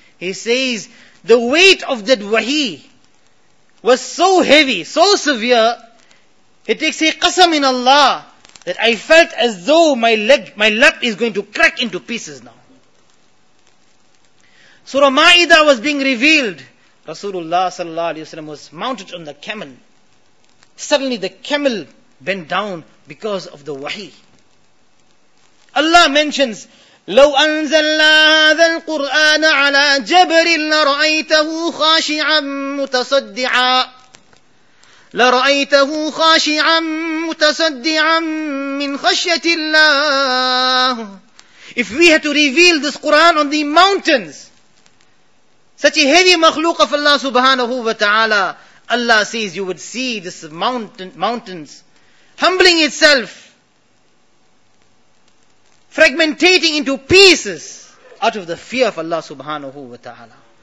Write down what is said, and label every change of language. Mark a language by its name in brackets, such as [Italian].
[English] He says, the weight of that wahi was so heavy, so severe, it takes a qasam in Allah that I felt as though my lap is going to crack into pieces now. Surah Ma'idah was being revealed. Rasulullah sallallahu alayhi wasallam was mounted on the camel. Suddenly the camel bent down because of the wahi. Allah mentions, [Arabic] لو أنزلنا هذا القرآن على جبر لرأيته خاشعا متصدعا لرأيته خاشعا متصدعا من خشية الله. [English] If we had to reveal this Quran on the mountains, such a heavy makhluq of Allah subhanahu wa ta'ala, Allah says you would see this mountains humbling itself fragmentating into pieces out of the fear of Allah subhanahu wa ta'ala.